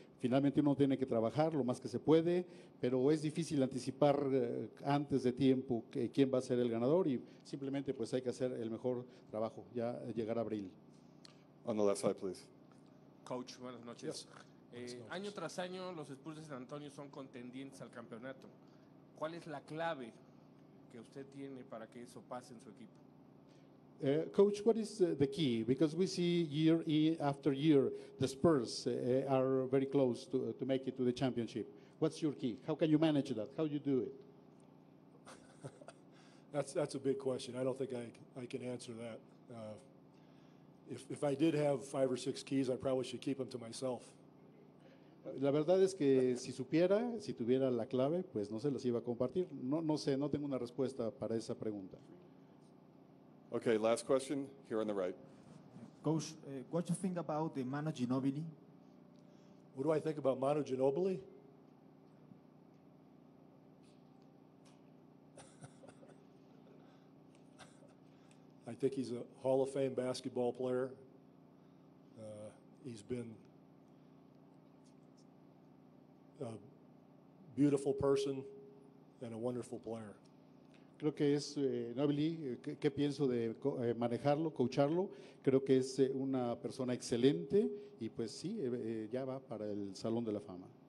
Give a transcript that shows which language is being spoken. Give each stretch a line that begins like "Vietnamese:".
Spanish: Finalmente uno tiene que trabajar lo más que se puede, pero es difícil anticipar antes de tiempo quién va a ser el ganador y simplemente pues hay que hacer el mejor trabajo, ya llegar a abril.
English: On the left side, please.
Spanish: Coach, buenas noches.
English: Yes.
Spanish: Año tras año, los Spurs de San Antonio son contendientes al campeonato. ¿Cuál es la clave que usted tiene para que eso pase en su equipo?
English: Coach, what is the key? Because we see year after year, the Spurs are very close to make it to the championship. What's your key? How can you manage that? How do you do it? That's a big question. I don't think I can answer that. If I did have 5 or 6 keys, I probably should keep them to myself.
Spanish: La verdad es que si supiera, si tuviera la clave, pues no se las iba a compartir. No sé, no tengo una respuesta para esa pregunta.
English: Okay, last question, here on the right. Coach, what do you think about the Manu Ginobili? What do I think about Manu Ginobili? I think he's a Hall of Fame basketball player. He's been a beautiful person and a wonderful player.
Spanish: Creo que es Nobly. ¿Qué pienso de manejarlo, coacharlo? Creo que es una persona excelente y pues sí, ya va para el Salón de la Fama.